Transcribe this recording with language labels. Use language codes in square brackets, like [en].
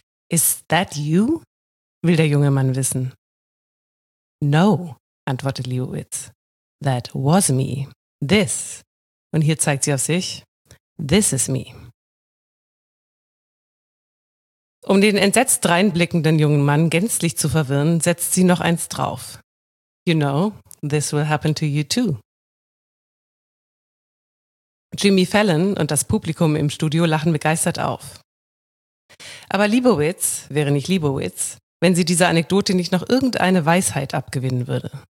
[en] Is that you? [de] Will der junge Mann wissen. [en] No, [de] antwortet Lebowitz. [en] That was me. This. [de] Und hier zeigt sie auf sich. [en] This is me. [de] Um den entsetzt dreinblickenden jungen Mann gänzlich zu verwirren, setzt sie noch eins drauf. [en] You know, this will happen to you too. [de] Jimmy Fallon und das Publikum im Studio lachen begeistert auf. Aber Lebowitz wäre nicht Lebowitz, wenn sie dieser Anekdote nicht noch irgendeine Weisheit abgewinnen würde.